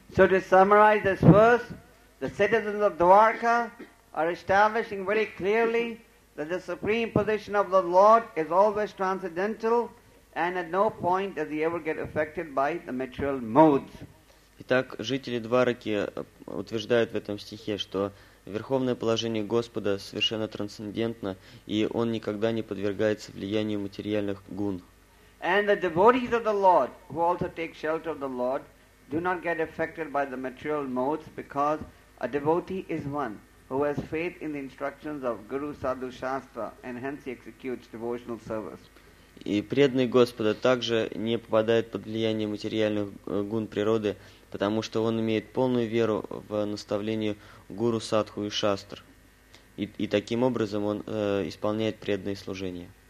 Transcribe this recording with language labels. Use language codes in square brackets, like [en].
[en] So to summarize this verse, the citizens of Dwarka are establishing very clearly that the supreme position of the Lord is always transcendental, and at no point does he ever get affected by the material modes. [ru] Итак, жители Двараки утверждают в этом стихе, что верховное положение Господа совершенно трансцендентно, и он никогда не подвергается влиянию материальных гун. [en] And the devotees of the Lord, who also take shelter of the Lord, do not get affected by the material modes, because a devotee is one who has faith in the instructions of Guru Sadhu Shastra, and hence he executes devotional service. [ru] И преданный Господа также не попадает под влияние материальных гун природы, потому что он имеет полную веру в наставление Гуру Садху и Шастр. И таким образом он исполняет преданные служения.